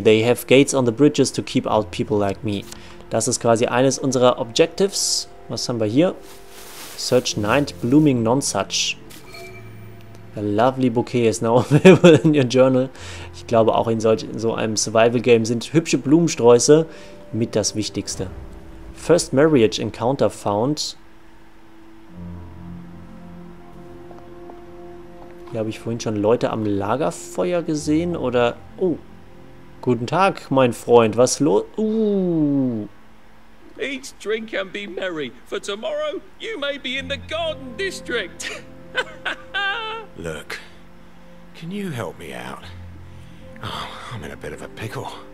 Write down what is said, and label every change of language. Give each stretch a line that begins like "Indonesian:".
English: They have gates on the bridges to keep out people like me.
German: Das ist quasi eines unserer Objectives. Was haben wir hier? Search 9, Blooming Nonsuch.
English: A lovely bouquet is now available in your journal.
German: Ich glaube, auch in so einem Survival-Game sind hübsche Blumensträuße mit das Wichtigste.
English: First marriage encounter found.
German: Hier habe ich vorhin schon Leute am Lagerfeuer gesehen, oder... Oh, guten Tag, mein Freund. Was los...
English: Eat, drink and be merry, for tomorrow you may be in the Garden District. Look, can you help me out? Oh, I'm in a bit of a pickle.